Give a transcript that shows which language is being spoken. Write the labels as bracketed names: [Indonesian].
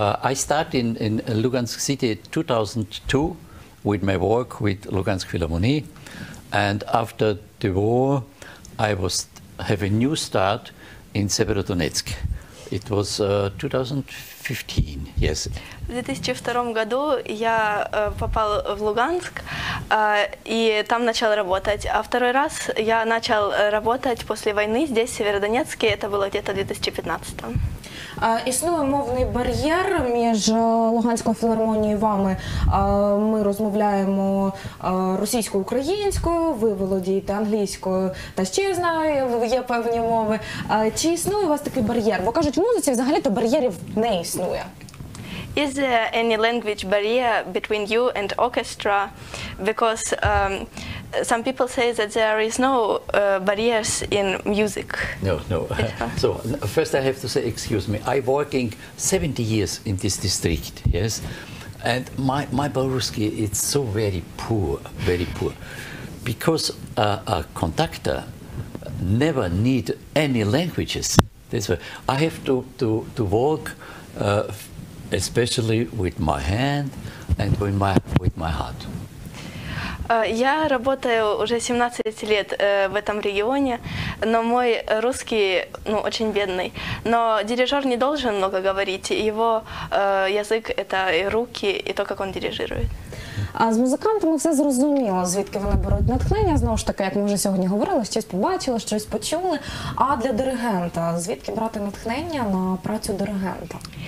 [English] I started in Luhansk city 2002 with my work with Luhansk Philharmonie. And after the war, I was have a new start in Severodonetsk. It was 2015, yes. [Russian] В 2002 году я попал в Луганск и там начал работать. А второй раз я начал работать после войны здесь, в Северодонецке. Это было где-то в 2015. [Ukrainian] Існує мовний бар'єр між Луганською філармонією і вами. Ми розмовляємо російсько-українською, ви володієте англійською, та ще я знаю, є певні мови. Чи існує у вас такий бар'єр? Бо кажуть, в музиці взагалі то бар'єрів не існує. [English] Is there any language barrier between you and orchestra? Because some people say that there is no barriers in music. No, no. So first I have to say, excuse me, I'm working 70 years in this district, yes? And my Belarusian, it's so very poor, very poor. Because a conductor never need any languages. That's why I have to work especially with my hand and with my heart. [Russian] Я работаю уже 17 лет в этом регионе, но мой русский, ну, очень бедный. Но дирижер не должен много говорить, его язык – это и руки, и то, как он дирижирует. [Ukrainian] А з музикантами все зрозуміло, звідки вони беруть натхнення. Знову ж таки, як ми вже сьогодні говорили, щось побачили, щось почули. А для диригента, звідки брати натхнення на працю диригента?